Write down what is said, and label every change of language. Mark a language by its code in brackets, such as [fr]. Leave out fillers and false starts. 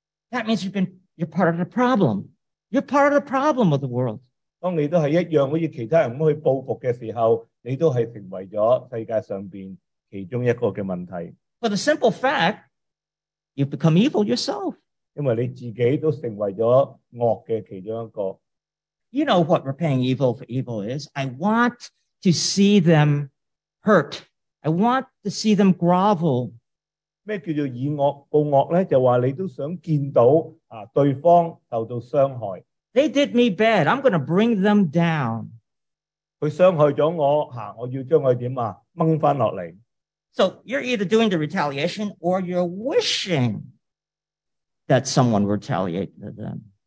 [en] That means you've been, you're part of the problem. You're part of the problem of the world. [yue] 当你都系一样，好似其他人咁去报复嘅时候，你都系成为咗世界上边其中一个嘅问题。 [en] For the simple fact, you've become evil yourself. [yue] 因为你自己都成为咗恶嘅其中一个。 [en] You know what repaying evil for evil is? I want to see them hurt. I want to see them grovel. [yue] 咩叫做以恶报恶呢？就话你都想见到对方受到伤害。 [en] They did me bad. I'm going to bring them down. [yue] 佢伤害咗我，我要将佢点啊掹翻落嚟。 [en] So you're either doing the retaliation or you're wishing that someone retaliate to them.